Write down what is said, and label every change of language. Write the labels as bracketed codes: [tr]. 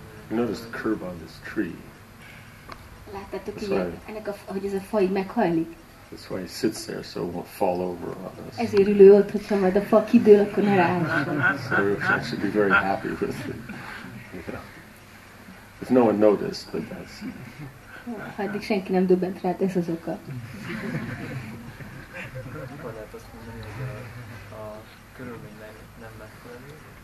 [en] You notice the curve on this tree. [hu] Láttátok, hogy ez a fa így meghajlik? [en] That's why it sits there, so it won't fall over on us. [hu] Ezért ül ő ott, hogyha majd a fa kidől, akkor ne ráálljon. [en] So I should be very happy with it. You know. If no one noticed, but that's... [hu] Ha eddig senki nem döbbent rá, ez az oka. Mikor lehet azt mondani, hogy a körülmény nem megfelelő?